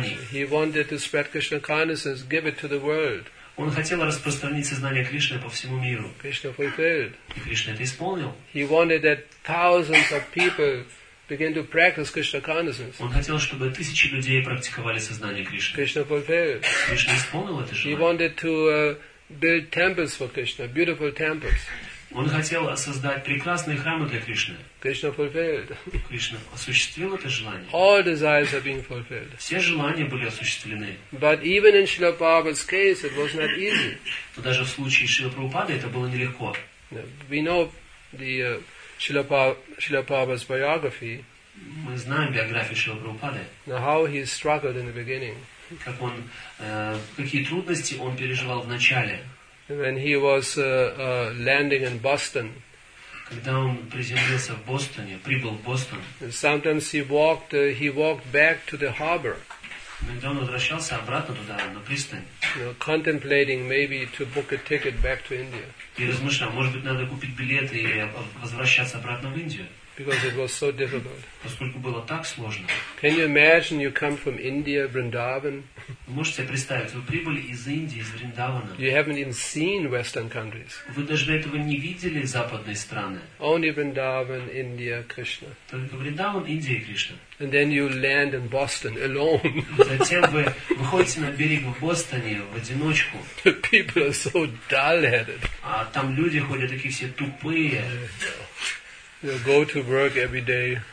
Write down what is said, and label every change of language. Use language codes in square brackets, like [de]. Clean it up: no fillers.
[en] He wanted to spread Krishna consciousness, give it to the world. Krishna fulfilled. He wanted that thousands of people begin to practice Krishna consciousness. [ru] Он хотел, чтобы тысячи людей практиковали сознание Кришны. [en] Krishna fulfilled. [ru] Krishna исполнил это желание. [en] He wanted to build temples for Krishna, beautiful temples. [ru] Он хотел создать прекрасные храмы для Кришны. [en] Krishna fulfilled. [ru] Krishna осуществил это желание. [en] All desires are being fulfilled. [ru] Все желания были осуществлены. [en] But even in Srila Prabhupada's case, it was not easy. [ru] Но даже в случае Шрила Прабхупады это было нелегко. [en] We know the Srila Prabhupada's biography. [ru] Мы знаем биографию Шрила Прабхупады. [en] Now how he struggled in the beginning. [ru] Как он, какие трудности он переживал в начале. [en] When he was landing in Boston. [ru] Когда он приземлился в Бостоне, прибыл в Бостон. [en] Sometimes he walked back to the harbor. [ru] Иногда он возвращался обратно туда, на пристань. [en] Contemplating maybe to book a ticket back to India. [ru] И размышлял, может быть, надо купить билет и возвращаться обратно в Индию. [en] Because it was so difficult. [ru] Поскольку было так сложно. [en] Can you imagine you come from India, Vrindavan? [ru] Можете себе представить, вы прибыли из Индии, из Вриндавана. [en] You haven't even seen Western countries. [ru] Вы даже до этого не видели западные страны. [en] Only Vrindavan, India, Krishna. [ru] Только Вриндаван, Индия и Кришна. [en] And then you land in Boston alone. [ru] Затем вы выходите на берег в Бостоне в одиночку. [en] The people are so dull-headed. [ru] А там люди ходят такие все тупые. [en] They go to work every day.